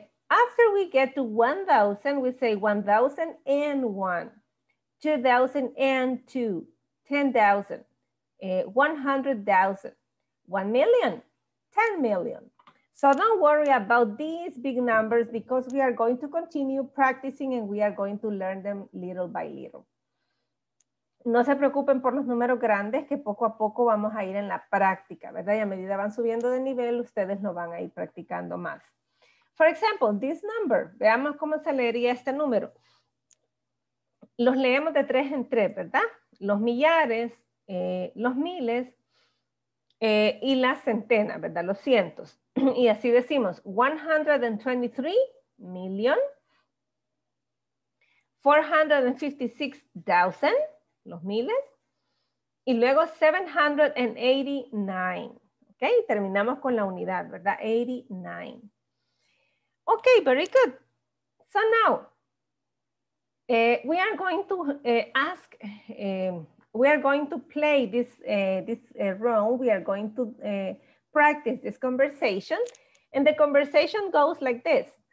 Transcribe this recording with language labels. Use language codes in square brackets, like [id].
[en] After we get to 1,000, we say 1,001, 2,002, 10,000, 100,000, 1 million, 10 million. So don't worry about these big numbers because we are going to continue practicing and we are going to learn them little by little. [es] No se preocupen por los números grandes que poco a poco vamos a ir en la práctica, ¿verdad? Y a medida van subiendo de nivel, ustedes lo van a ir practicando más. [en] For example, this number. [es] Veamos cómo se leería este número. Los leemos de tres en tres, ¿verdad? Los millares, los miles y la centena, ¿verdad? Los cientos. Y así decimos, 123 million, 456,000, los miles, y luego 789, ok, terminamos con la unidad, ¿verdad? [en] 89. Ok, very good. So now, we are going to practice this conversation, and the conversation goes like this.